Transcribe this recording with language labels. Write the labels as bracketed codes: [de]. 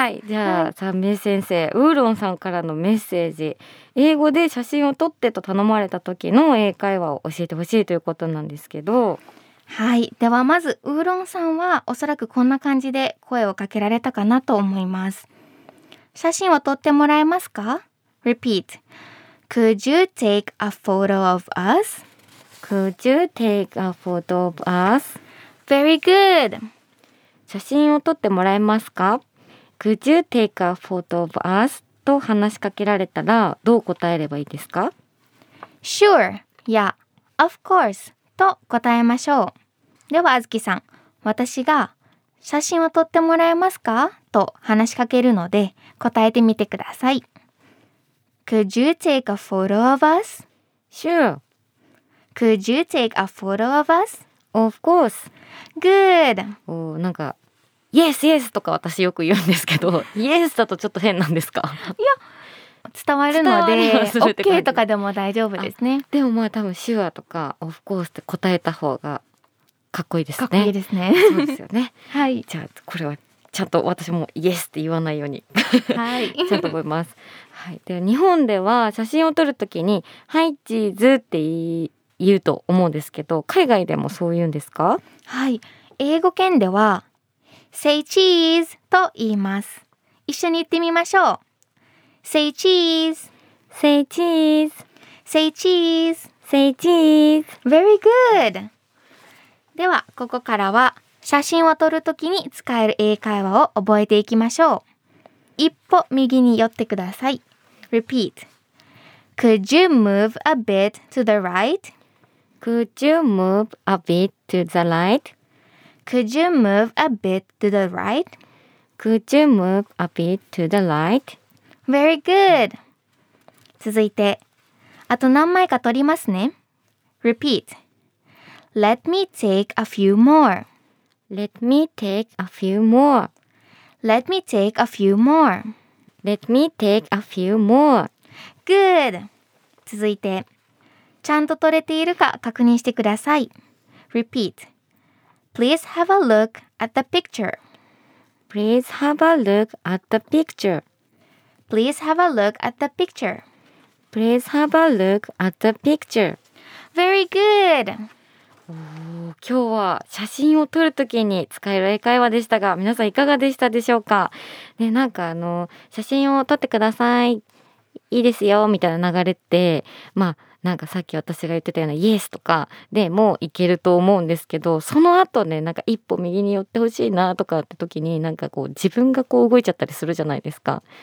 [ja] はい、じゃあ、はい、三先生、ウーロンさんからのメッセージ、英語で写真を撮ってと頼まれた時の英会話を教えてほしいということなんですけど、はい、ではまずウーロンさんはおそらくこんな感じで声をかけられたかなと思います。写真を撮ってもらえますか。 [en] Repeat. Could you take a photo of us? Could you take a photo of us? Very good. [ja] 写真を撮ってもらえますか。 [en] Could you take a photo of us? [ja] と話しかけられたらどう答えればいいですか。 [en] Sure. Yeah. Of course. [ja] と答えましょう。ではあずきさん、私が写真を撮ってもらえますかと話しかけるので答えてみてください。 [en] Could you take a photo of us? Sure. Could you take a photo of us? Of course. Good. [ja] おー、なんかYes, yes とか私よく言うんですけど、Yes だとちょっと変なんですか。いや、伝わるので OK とかでも大丈夫ですね。でもまあ多分手話とか [en] Of course [ja] って答えた方がかっこいいですね。かっこいいですね。そうですよね。はい、じゃあこれはちゃんと私も Yes って言わないように、はい、ちゃんと思います。はい、で日本では写真を撮るときにはいチーズって言うと思うんですけど、海外でもそう言うんですか。はい、英語圏では [en] Say cheese [ja] と言います。一緒に言ってみましょう。 [en] Say cheese. Say cheese. Say cheese. Say cheese. Very good. [ja] ではここからは写真を撮るときに使える英会話を覚えていきましょう。一歩右に寄ってください。 [en] Repeat. Could you move a bit to the right? Could you move a bit to the right? Could you move a bit to the right? Could you move a bit to the right? Very good. [ja] 続いて、あと何枚か撮りますね。 [en] Repeat. Let me take a few more. Let me take a few more. Let me take a few more. Let me take a few more. Good. [ja] 続いて、ちゃんと撮れているか確認してください。 [en] Repeat. Please have a look at the picture. Please have a look at the picture. Please have a look at the picture. Please have a look at the picture. Very good. [ja] おー、今日は写真を撮るときに使える英会話でしたが、皆さんいかがでしたでしょうか。ね、なんかあの写真を撮ってください。いいですよみたいな流れって、まあなんかさっき私が言ってたようなイエスとかでもいけると思うんですけど、その後ね、なんか一歩右に寄ってほしいなとかって時に、なんかこう自分がこう動いちゃったりするじゃないですか。